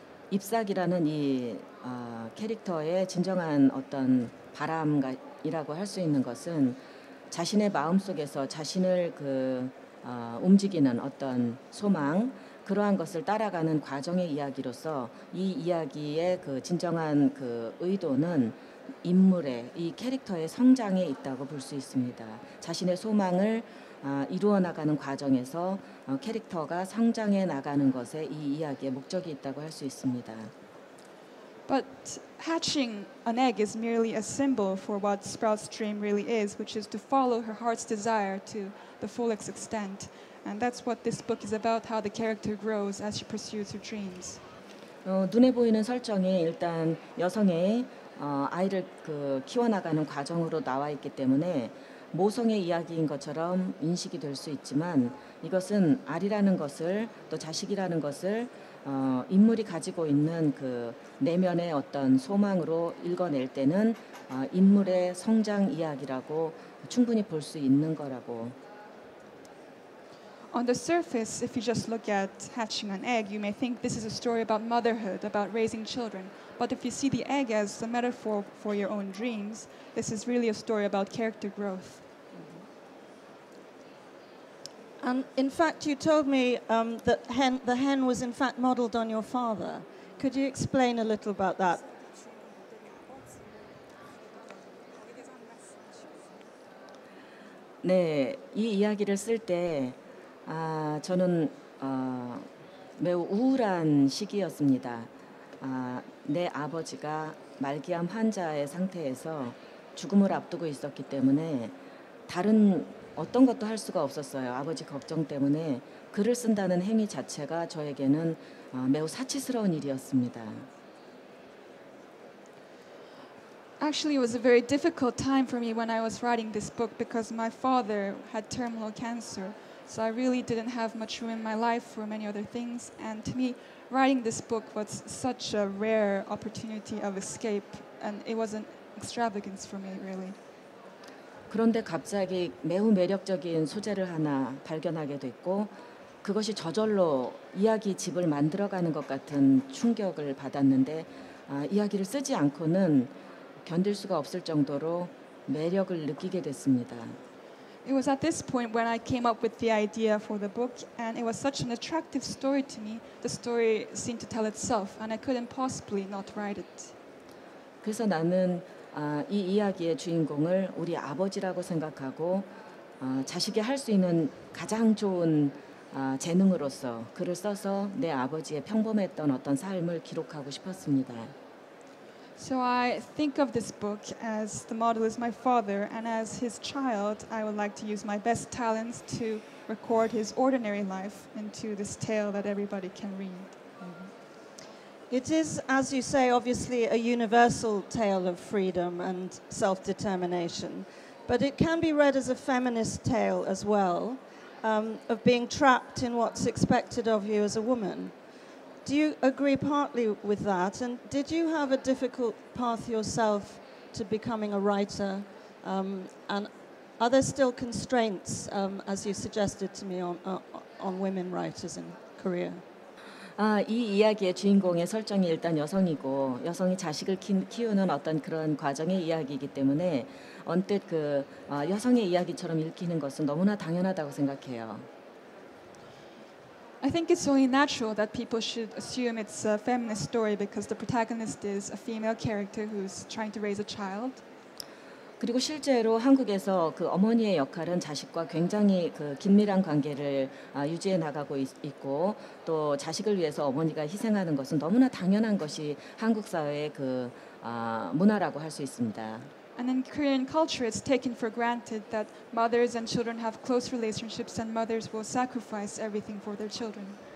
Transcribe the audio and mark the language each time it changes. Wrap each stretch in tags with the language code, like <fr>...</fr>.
<ko>잎사귀라는 이 캐릭터의 진정한 어떤 바람이라고 할 수 있는 것은 자신의 마음 속에서 자신을 그 움직이는 어떤 소망 그러한 것을 따라가는 과정의 이야기로서 이 이야기의 그 진정한 그 의도는 인물의 이 캐릭터의 성장에 있다고 볼 수 있습니다. 자신의 소망을 이루어 나가는 과정에서 캐릭터가 성장해 나가는 것에 이 이야기의 목적이 있다고 할 수 있습니다.</ko> <en>But hatching an egg is merely a symbol for what Sprout's dream really is, which is to follow her heart's desire to the fullest extent. And that's what this book is about, how the character grows as she pursues her dreams.</en> <ko>눈에 보이는 설정이 일단 여성의 아이를 그 키워나가는 과정으로 나와 있기 때문에 모성의 이야기인 것처럼 인식이 될 수 있지만 이것은 알이라는 것을 또 자식이라는 것을 인물이 가지고 있는 그 내면의 어떤 소망으로 읽어낼 때는 인물의 성장 이야기라고 충분히 볼 수 있는 거라고.</ko> <en>On the surface, if you just look at hatching an egg, you may think this is a story about motherhood, about raising children. But if you see the egg as a metaphor for your own dreams, this is really a story about character growth. And in fact, you told me that the hen was in fact modeled on your father. Could you explain a little about that? Yes, I wrote this story.</en> <ko>저는 매우 우울한 시기였습니다. 내 아버지가 말기암 환자의 상태에서 죽음을 앞두고 있었기 때문에 다른 어떤 것도 할 수가 없었어요. 아버지 걱정 때문에 글을 쓴다는 행위 자체가 저에게는 매우 사치스러운 일이었습니다.</ko> <en>Actually, it was a very difficult time for me when I was writing this book because my father had terminal cancer. So I really didn't have much room in my life for many other things. And to me, writing this book was such a rare opportunity of escape. And it was an extravagance for me, really.</en> <ko>그런데 갑자기 매우 매력적인 소재를 하나 발견하게 됐고, 그것이 저절로 이야기 집을 만들어가는 것 같은 충격을 받았는데, 이야기를 쓰지 않고는 견딜 수가 없을 정도로 매력을 느끼게 됐습니다.</ko> <en>It was at this point when I came up with the idea for the book, and it was such an attractive story to me. The story seemed to tell itself, and I couldn't possibly not write it.</en> <ko>그래서 나는 이 이야기의 주인공을 우리 아버지라고 생각하고 자식이 할 수 있는 가장 좋은 재능으로서 글을 써서 내 아버지의 평범했던 어떤 삶을 기록하고 싶었습니다.</ko> <en>So I think of this book as the model is my father, and as his child, I would like to use my best talents to record his ordinary life into this tale that everybody can read. It is, as you say, obviously a universal tale of freedom and self-determination, but it can be read as a feminist tale as well, of being trapped in what's expected of you as a woman. Do you agree partly with that? And did you have a difficult path yourself to becoming a writer? And are there still constraints, as you suggested to me, on women writers in Korea?</en> <ko>이 이야기의 주인공의 설정이 일단 여성이고 여성이 자식을 키우는 어떤 그런 과정의 이야기이기 때문에 언뜻 그 여성의 이야기처럼 읽히는 것은 너무나 당연하다고 생각해요.</ko> <en>I think it's only natural that people should assume it's a feminist story because the protagonist is a female character who's trying to raise a child.</en> <ko>그리고 실제로 한국에서 그 어머니의 역할은 자식과 굉장히 그 긴밀한 관계를 유지해 나가고 있고 또 자식을 위해서 어머니가 희생하는 것은 너무나 당연한 것이 한국 사회의 그 문화라고 할 수 있습니다.</ko> <en>And in Korean culture, it's taken for granted that mothers and children have close relationships and mothers will sacrifice everything for their children.</en>